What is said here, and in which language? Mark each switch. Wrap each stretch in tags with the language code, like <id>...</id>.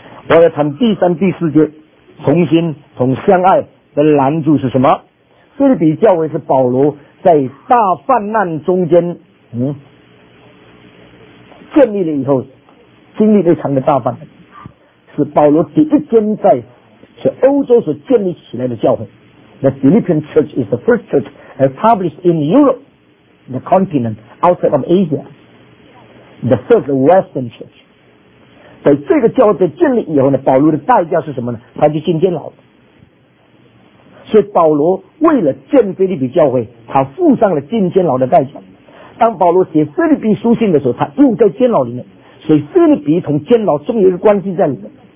<zh>我要谈第三、第四节，同心同相爱的拦阻是什么？这里比较为是保罗在大患难中间建立了以后经历了一场的大患难，是保罗第一间在是欧洲所建立起来的教会。</zh> <en>The Philippian church is the first church established in Europe, the continent outside of Asia, the first Western church.</en> <zh>在这个教会建立以后呢，保罗的代价是什么呢？他就进监牢了。所以保罗为了建腓立比教会，他付上了进监牢的代价。当保罗写腓立比书信的时候，他又在监牢里面，所以腓立比同监牢中有一个关系在里面。</zh>